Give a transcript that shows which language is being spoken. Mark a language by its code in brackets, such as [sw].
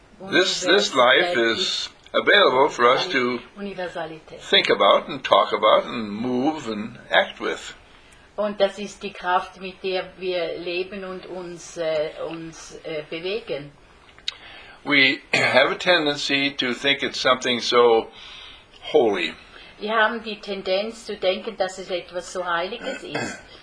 [en] This life is available for us to think about and talk about and move and act with. [de] Und das ist die Kraft, mit der wir leben und uns bewegen. [en] We have a tendency to think it's something so holy. [de] Wir haben die Tendenz zu denken, dass es etwas so Heiliges ist.